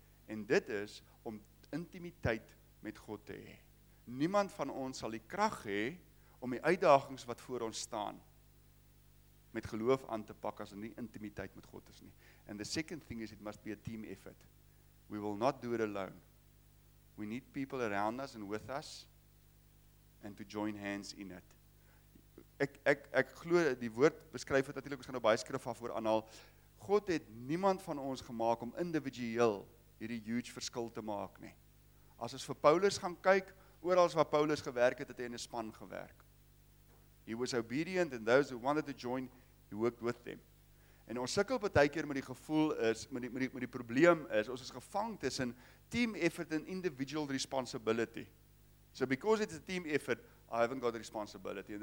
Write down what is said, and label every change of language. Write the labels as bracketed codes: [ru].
[af] En dit is om intimiteit met God te hê. Niemand van ons sal die krag hê om die uitdagings wat voor ons staan met geloof aan te pak as ons nie intimiteit met God is nie. [en] And the second thing is it must be a team effort. We will not do it alone. We need people around us and with us and to join hands in it. [af] Ek glo die woord beskryf het natuurlik, ons gaan nou baie skrif af oor aanhaal. God het niemand van ons gemaak om individueel hierdie huge verskil te maak nie. As ons vir Paulus gaan kyk, oral waar Paulus gewerk het, het hy in 'n span gewerk. [en] He was obedient and those who wanted to join, he worked with them. [af] En ons sukkel baie keer met die gevoel is, met die probleem is, ons is gevang tussen [en] team effort and individual responsibility. So because it's a team effort, I haven't got responsibility.